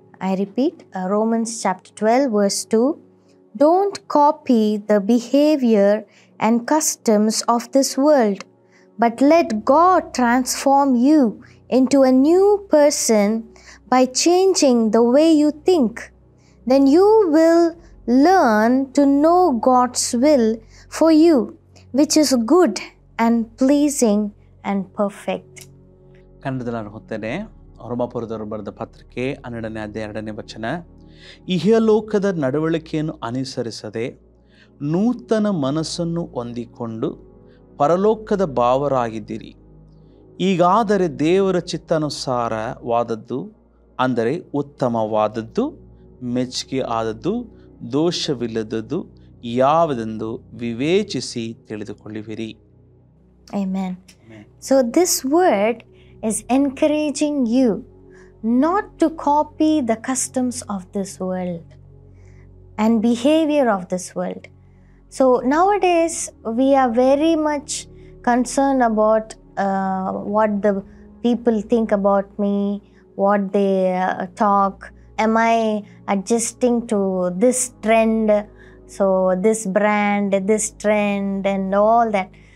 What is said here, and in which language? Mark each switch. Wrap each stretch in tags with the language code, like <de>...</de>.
<en>I repeat, Romans chapter 12:2. Don't copy the behaviour and customs of this world, but let God transform you in to a new person by changing the way you think. Then you will learn to know God's will for you, which is good and pleasing and perfect.</en> <kn>ಕನ್ನಡದಲ್ಲಿ ನಾನು ಹೊತ್ತೇನೆ. ರೋಮಾಪುರದವರು ಬರೆದ ಪತ್ರಿಕೆ 12:2. ಇಹಲೋಕದ ನಡವಳಿಕೆಯನ್ನು ಅನುಸರಿಸದೆ ನೂತನ ಮನಸ್ಸನ್ನು ಹೊಂದಿಕೊಂಡು ಪರಲೋಕದ ಭಾವರಾಗಿದ್ದೀರಿ. ಈಗಾದರೆ ದೇವರ ಚಿತ್ತಾನುಸಾರವಾದದ್ದು, ಅಂದರೆ ಉತ್ತಮವಾದದ್ದು, ಮೆಚ್ಚುಗೆ ಆದದ್ದು, ದೋಷವಿಲ್ಲದದ್ದು ಯಾವುದೆಂದು ವಿವೇಚಿಸಿ ತಿಳಿದುಕೊಳ್ಳುವಿರಿ. Amen.</kn> <en>So this word is encouraging you not to copy the customs of this world and behaviour of this world. So nowadays we are very much concern about what the people think about me, what they talk, am I adjusting to this trend, so this brand, this trend and all that.</en>